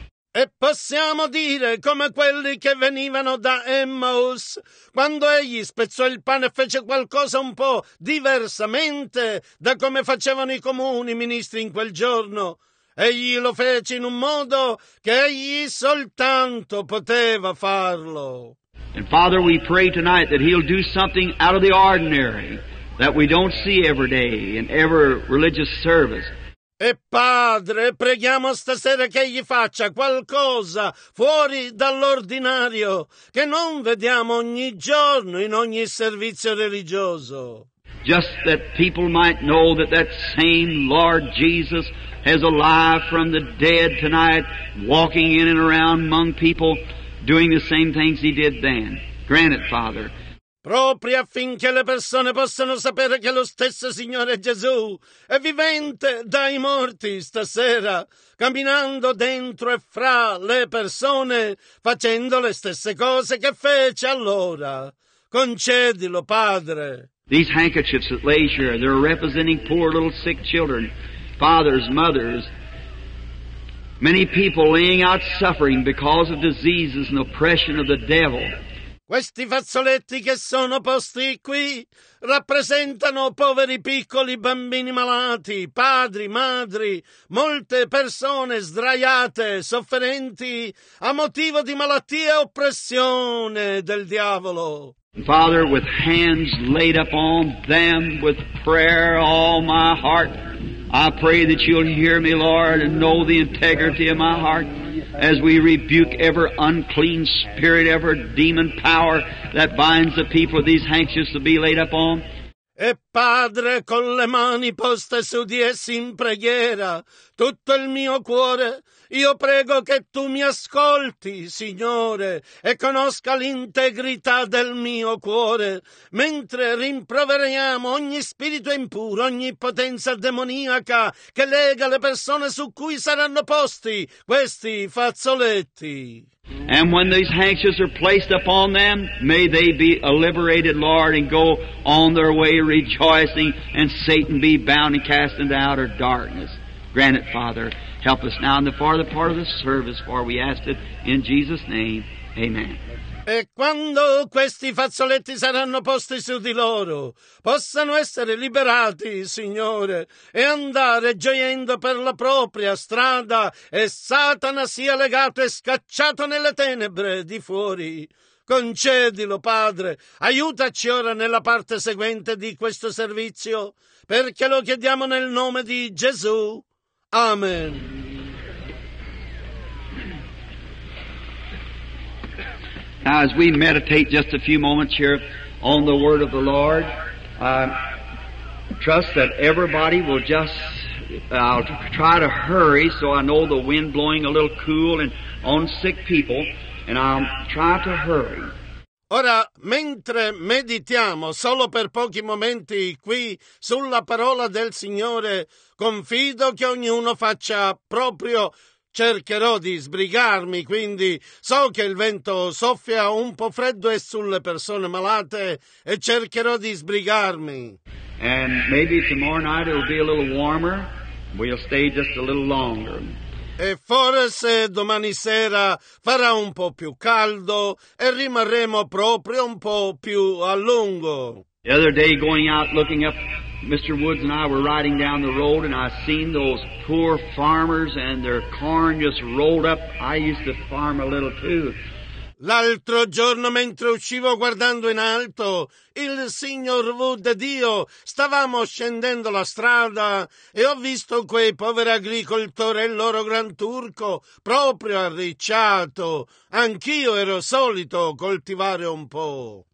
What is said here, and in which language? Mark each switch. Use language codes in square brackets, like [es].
[it] E possiamo dire come quelli che venivano da Emmaus, quando egli spezzò il pane e fece qualcosa un po' diversamente da come facevano i comuni ministri in quel giorno. Egli lo fece in un modo che egli soltanto poteva farlo. [en] And Father, we pray tonight that he'll do something out of the ordinary that we don't see every day in every religious service. [it] E Padre, preghiamo stasera che egli faccia qualcosa fuori dall'ordinario che non vediamo ogni giorno in ogni servizio religioso. [en] Just that people might know that that same Lord Jesus is alive from the dead tonight, walking in and around among people, doing the same things he did then. Grant it, Father. [it] Proprio affinché le persone possano sapere che lo stesso Signore Gesù è vivente dai morti stasera, camminando dentro e fra le persone, facendo le stesse cose che fece allora. Concedilo, Padre. [en] These handkerchiefs that lay here, they're representing poor little sick children, fathers, mothers, many people laying out suffering because of diseases and oppression of the devil. [it] Questi fazzoletti che sono posti qui rappresentano poveri piccoli bambini malati, padri, madri, molte persone sdraiate, sofferenti a motivo di malattia e oppressione del diavolo. [en] Father, with hands laid up on them, with prayer all my heart, I pray that you'll hear me, Lord, and know the integrity of my heart as we rebuke every unclean spirit, every demon power that binds the people of these handkerchiefs to be laid upon. [it] E Padre, con le mani poste su di essi in preghiera, tutto il mio cuore, io prego che tu mi ascolti, Signore, e conosca l'integrità del mio cuore, mentre rimproveriamo ogni spirito impuro, ogni potenza demoniaca che lega le persone su cui saranno posti questi fazzoletti. [en] And when these handkerchiefs are placed upon them, may they be liberated, Lord, and go on their way rejoicing, and Satan be bound and cast into outer darkness. Grant it, Father. Help us now in the farther part of the service, for we ask it in Jesus' name. Amen. [it] E quando questi fazzoletti saranno posti su di loro, possano essere liberati, Signore, e andare gioiendo per la propria strada, e Satana sia legato e scacciato nelle tenebre di fuori. Concedilo, Padre, aiutaci ora nella parte seguente di questo servizio, perché lo chiediamo nel nome di Gesù. Amen. [en] Now, as we meditate just a few moments here on the Word of the Lord, I trust that everybody will just, I'll try to hurry so I know the wind blowing a little cool and on sick people, and I'll try to hurry. [it] Ora, mentre meditiamo solo per pochi momenti qui sulla parola del Signore, confido che ognuno faccia proprio. Cercherò di sbrigarmi, quindi so che il vento soffia un po' freddo e sulle persone malate e cercherò di sbrigarmi. [en] And maybe tomorrow night it'll be a little warmer. We'll stay just a little longer. [it] E forse domani sera farà un po' più caldo e rimarremo proprio un po' più a lungo. [en] The other day going out looking up, Mr. Woods and I were riding down the road and I seen those poor farmers and their corn just rolled up. I used to farm a little too. [it] L'altro giorno mentre uscivo guardando in alto, il signor Wood ed io stavamo scendendo la strada e ho visto quei poveri agricoltori e il loro gran turco proprio arricciato. Anch'io ero solito coltivare un po'.